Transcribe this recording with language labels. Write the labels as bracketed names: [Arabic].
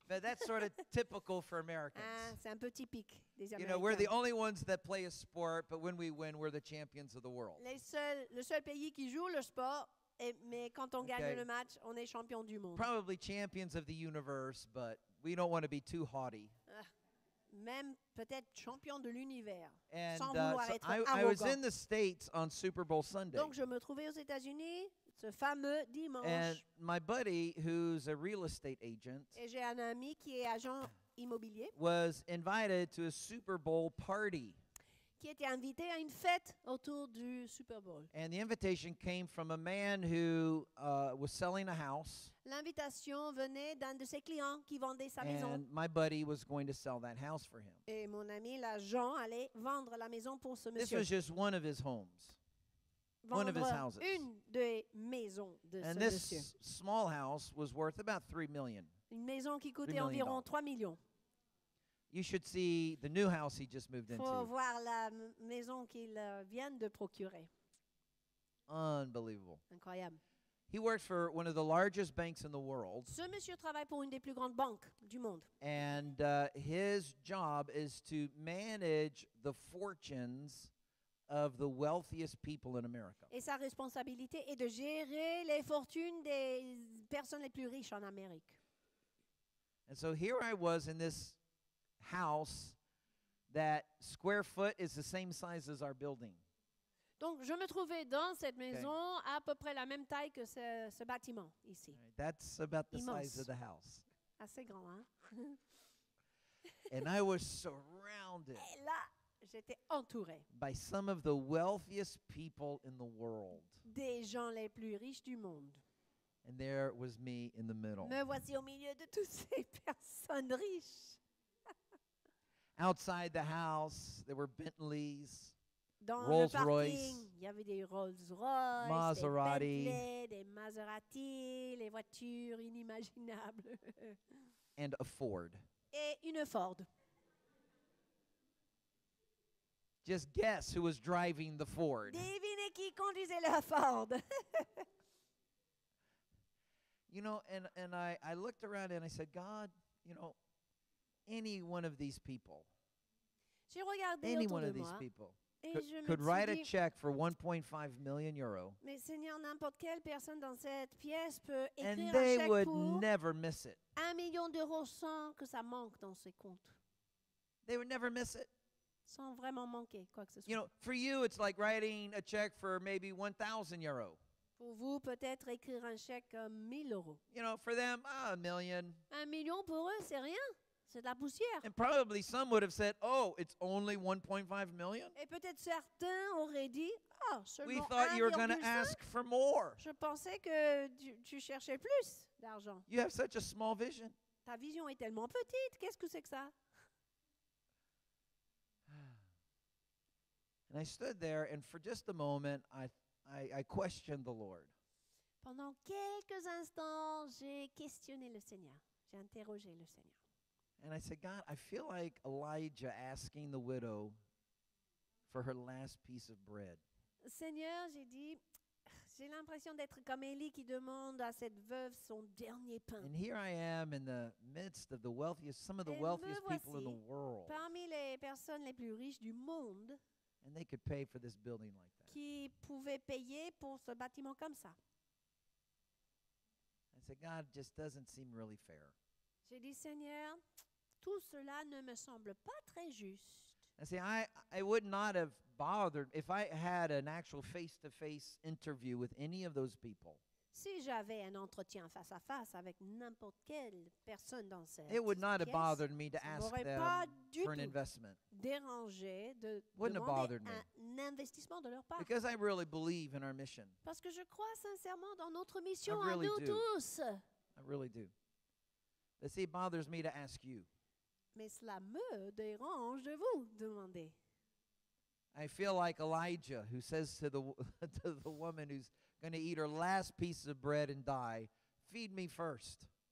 [English] But that's sort of typical for Americans. [French] Ah, c'est un peu typique des Américains. [English] You know, we're the only ones that play a sport, but when we win, we're the champions of the world. [French] Le seul pays qui joue le sport, mais quand on gagne le match, on est champion du monde. [English] Probably champions of the universe, but we don't want to be too haughty. [French] Même peut-être champion de l'univers, [English] and, [French] sans vouloir être arrogant. [English] I was in the States on Super Bowl Sunday. [French] Donc je me trouvais aux États-Unis ce fameux dimanche. [English] And my buddy, who's a real estate agent, [French] et j'ai un ami qui est agent immobilier, [English] was invited to a Super Bowl party. [French] Qui était invité à une fête autour du Super Bowl. [English] And the invitation came from a man who was selling a house. [French] L'invitation venait d'un de ses clients qui vendait sa [English] and [French] maison. [English] And my buddy was going to sell that house for him. [French] Et mon ami, l'agent, allait vendre la maison pour ce monsieur. [English] This was just one of his homes. [French] Vendre [English] one of his houses. [French] Une des maisons de [English] and [French] ce monsieur. [English] And this small house was worth about $3 million. [French] Une maison qui coûtait environ 3 millions. [English] You should see the new house he just moved [French] faut [English] into. [French] Faut voir la maison qu'il vient de procurer. [English] Unbelievable. [French] Incroyable. [English] He works for one of the largest banks in the world. [French] Ce monsieur travaille pour une des plus grandes banques du monde. [English] And his job is to manage the fortunes of the wealthiest people in America. [French] Et sa responsabilité est de gérer les fortunes des personnes les plus riches en Amérique. [English] And so here I was in this house that square foot is the same size as our building. [French] Donc je me trouvais dans cette maison à peu près la même taille que ce bâtiment ici. [English] That's about the size of the house. [French] Assez grand, hein? [English] And I was surrounded. [French] Et là, j'étais entouré. [English] By some of the wealthiest people in the world. [French] Des gens les plus riches du monde. [English] And there was me in the middle. [French] Me voici au milieu de toutes ces personnes riches. [English] Outside the house, there were Bentleys. [French] Dans [English] Rolls [French] le parking, [English] Royce, [French] il y avait des Rolls-Royce, [English] Maserati, [French] des Maserati, les voitures inimaginables. [English] And a Ford. [French] Et une Ford. [English] Just guess who was driving the Ford. [French] Devinez qui conduisait la Ford. [English] You know, and I looked around and I said, God, you know, any one of these people. [French] J'ai regardé [English] any [French] autour [English] one [French] de [English] of [French] moi. [English] These people. Could write a check for 1.5 million euro. [French] Mais Seigneur, n'importe quelle personne dans cette pièce peut écrire un chèque. [English] And they would never miss it. [French] 1 million d'euros sans que ça manque dans ses comptes. [English] They would never miss it. [French] Sans vraiment manquer quoi que ce soit. [English] You know, for you it's like writing a check for maybe 1000 euro. [French] Pour vous peut-être écrire un chèque 1000 euros. [English] You know, for them a million. [French] 1 million pour eux c'est rien. C'est de la poussière. [English] And probably some would have said, "Oh, it's only 1.5 million." [French] Et peut-être certains auraient dit, "Oh, seulement 1.5." [English] We thought you were going to ask for more. [French] Je pensais que tu cherchais plus d'argent. [English] You have such a small vision. [French] Ta vision est tellement petite. Qu'est-ce que c'est que ça? [English] And I stood there, and for just a moment, I questioned the Lord. [French] Pendant quelques instants, j'ai questionné le Seigneur. J'ai interrogé le Seigneur. [English] And I said, God, I feel like Elijah asking the widow for her last piece of bread. [French] Seigneur, j'ai dit, j'ai l'impression d'être comme Élie qui demande à cette veuve son dernier pain. [English] And here I am in the midst of the wealthiest, some of the [French] Et [English] wealthiest people in the world. [French] Parmi les personnes les plus riches du monde. [English] And they could pay for this building like that. [French] Qui pouvaient payer pour ce bâtiment comme ça. [English] I said, God, it just doesn't seem really fair. [French] J'ai dit, Seigneur, tout cela ne me semble pas très juste. [English] And see, I would not have bothered if I had an actual face-to-face interview with any of those people. [French] Si j'avais un entretien face à face avec n'importe quelle personne dans cette pièce, [English] it would not have bothered me to ask them for an investment. [French] Dérangé de [English] wouldn't have bothered me. [French] Un investissement de leur part. [English] Because I really believe in our mission. [French] Parce que je crois sincèrement dans notre mission [English] I really [French] à nous Tous. [English] I really do. But see, it bothers me to ask you. [French] Mais cela me dérange de vous demander. [English] I feel like Elijah who says to the to the woman who's going to eat her last piece of bread and die, feed me first.